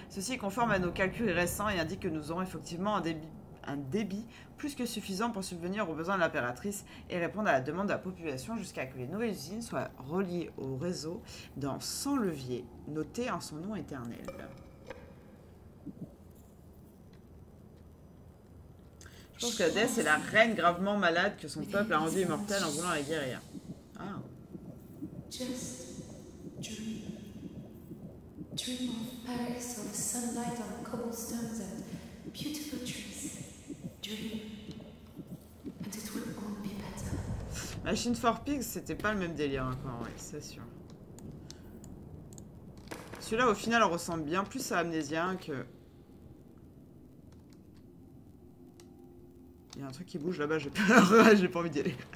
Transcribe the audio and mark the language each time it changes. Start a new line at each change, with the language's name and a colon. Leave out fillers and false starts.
French: Ceci est conforme à nos calculs récents et indique que nous aurons effectivement un débit plus que suffisant pour subvenir aux besoins de l'impératrice et répondre à la demande de la population jusqu'à que les nouvelles usines soient reliées au réseau dans 100 leviers, notés en son nom éternel. Je pense que Hadès est la reine gravement malade que son peuple a rendue immortelle en voulant la guérir. Ah.
English: Dream of Paris, of sunlight, of cobblestones and beautiful trees. Dream. And it will all be better.
French: Machine for Pigs, c'était pas le même délire encore, ouais, c'est sûr. Celui-là, au final, ressemble bien plus à Amnésia que... Il y a un truc qui bouge là-bas, j'ai peur, j'ai pas envie d'y aller.